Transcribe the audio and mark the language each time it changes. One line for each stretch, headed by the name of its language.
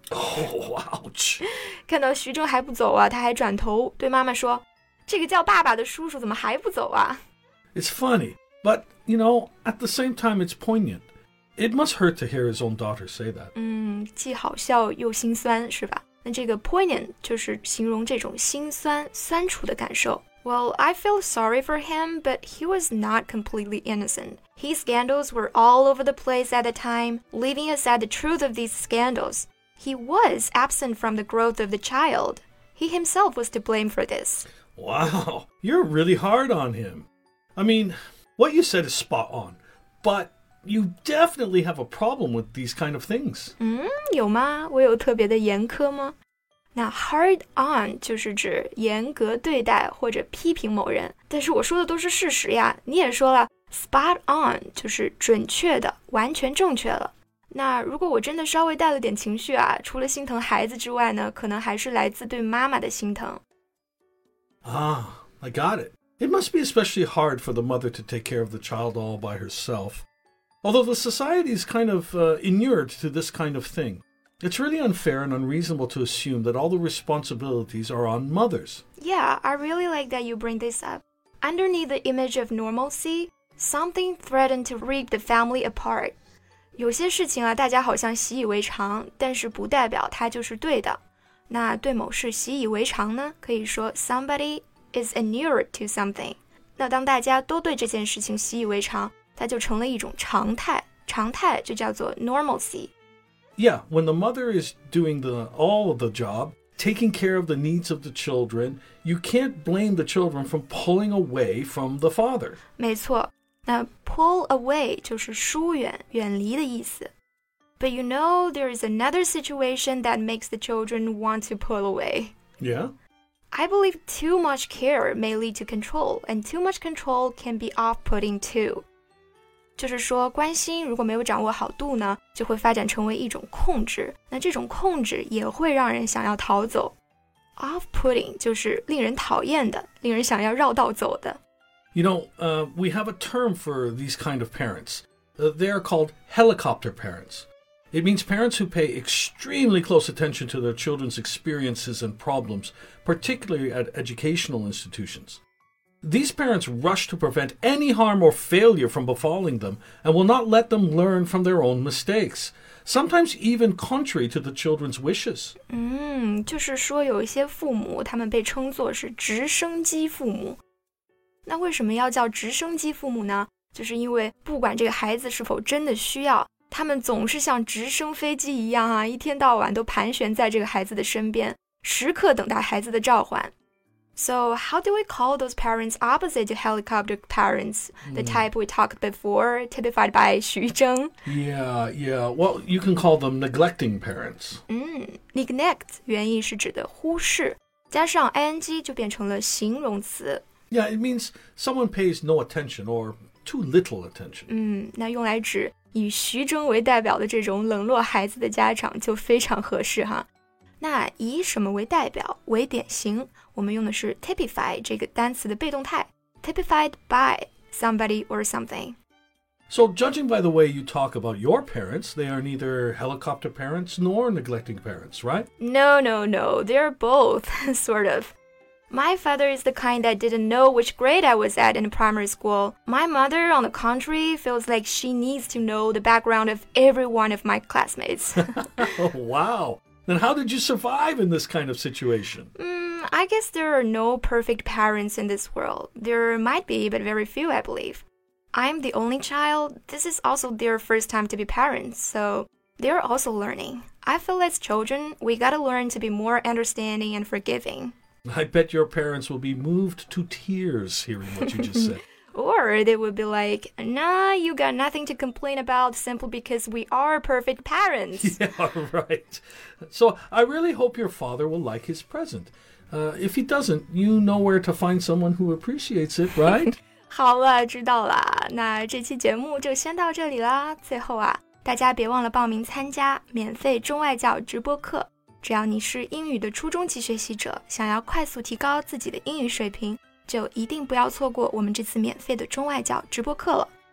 English: Oh, ouch.
Chinese: 看到徐峥还不走啊，他还转头对妈妈说，这个叫爸爸的叔叔怎么还不走啊？
English: It's funny, but, you know, at the same time, it's poignant. It must hurt to hear his own daughter say that.
Chinese: 既好笑又心酸，是吧？那这个 poignant 就是形容这种心酸、酸楚的感受。
English: Well, I feel sorry for him, but he was not completely innocent. His scandals were all over the place at the time, leaving aside the truth of these scandals. He was absent from the growth of the child. He himself was to blame for this. Wow, you're really hard on him. I mean, what you said is spot on, but you definitely have a problem with these kind of things.
Chinese: 有吗？我有特别的严苛吗？那 hard on 就是指严格对待或者批评某人，但是我说的都是事实呀。你也说了， spot on 就是准确的，完全正确了。那如果我真的稍微带了点情绪啊，除了心疼孩子之外呢，可能还是来自对妈妈的心疼。
English: Ah, I got it. It must be especially hard for the mother to take care of the child all by herself. Although the society is kind of inured to this kind of thing. It's really unfair and unreasonable to assume that all the responsibilities are on mothers. Yeah, I really like that you bring this up. Underneath the image of normalcy, something threatened to rip the family apart.
Chinese: 有些事情啊，大家好像习以为常，但是不代表它就是对的。那对某事习以为常呢，可以说
English: somebody is inured to something。
Chinese: 那当大家都对这件事情习以为常，它就成了一种常态，常态就叫做 normalcy。
English: Yeah, when the mother is doing all of the job, taking care of the needs of the children, you can't blame the children for pulling away from the father.
Chinese: 没错。那 pull away 就是疏远、远离的意思。
English: But you know, there is another situation that makes the children want to pull away. Yeah? I believe too much care may lead to control, and too much control can be off-putting too.
Chinese: 就是说关心如果没有掌握好度呢，就会发展成为一种控制，那这种控制也会让人想要逃走。 Off-putting 就是令人讨厌的，令人想要绕道走的。
English: You know, we have a term for these kind of parents. They are called helicopter parents. It means parents who pay extremely close attention to their children's experiences and problems, particularly at educational institutions. These parents rush to prevent any harm or failure from befalling them and will not let them learn from their own mistakes, sometimes even contrary to the children's wishes.
Chinese: 就是说有一些父母他们被称作是直升机父母。那为什么要叫直升机父母呢？就是因为不管这个孩子是否真的需要，他们总是像直升飞机一样啊，一天到晚都盘旋在这个孩子的身边，时刻等待孩子的召唤。
English: So, how do we call those parents opposite to helicopter parents? The type we talked before, typified by 徐峥? Yeah. Well, you can call them neglecting parents.
Chinese: Neglect 原意是指的忽视，加上 ing 就变成了形容词。
English: Yeah, it means someone pays no attention or too little attention.
Chinese: 那用来指以徐峥为代表的这种冷落孩子的家长就非常合适哈。那以什么为代表，为典型，我们用的是 typify 这个单词的被动态
English: typified by somebody or something. So judging by the way you talk about your parents, they are neither helicopter parents nor neglecting parents, right? No, they're both, sort of. My father is the kind that didn't know which grade I was at in primary school. My mother, on the contrary, feels like she needs to know the background of every one of my classmates. Wow. Then how did you survive in this kind of situation? I guess there are no perfect parents in this world. There might be, but very few, I believe. I'm the only child. This is also their first time to be parents, so they're also learning. I feel as children, we gotta learn to be more understanding and forgiving. I bet your parents will be moved to tears hearing what you just said. Or they would be like, nah, you got nothing to complain about simply because we are perfect parents. Yeah, right. So I really hope your father will like his present. If he doesn't, you know where to find someone who appreciates it, right?
Chinese: 好了，知道了。那这期节目就先到这里啦。最后啊，大家别忘了报名参加免费中外教直播课。只要你是英语的初中级学习者，想要快速提高自己的英语水平，就一定不要错过我们这次免费的中外教直播课了。